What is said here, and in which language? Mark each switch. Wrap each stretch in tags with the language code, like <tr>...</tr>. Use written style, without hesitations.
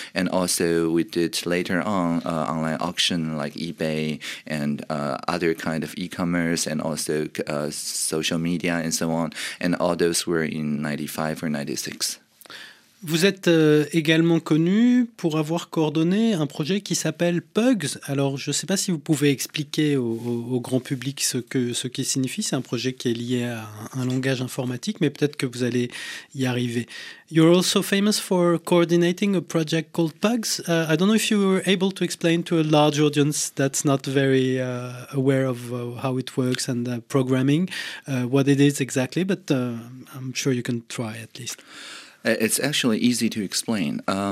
<en>And also we did later on online auction like eBay and other kind of e-commerce and also social media and so on, and all those were in 95 or 96.</en> <fr>Vous êtes également connu pour avoir coordonné un projet qui s'appelle Pugs. Alors, je ne sais pas si vous pouvez expliquer au grand public ce qui signifie. C'est un projet qui est lié à un langage informatique, mais peut-être que vous allez y arriver.</fr> <en>You're also famous for coordinating a project called Pugs. I don't know if you were able to explain to a large audience that's not very aware of how it works and programming, what it is exactly, but I'm sure you can try at least. It's actually easy to explain.</en>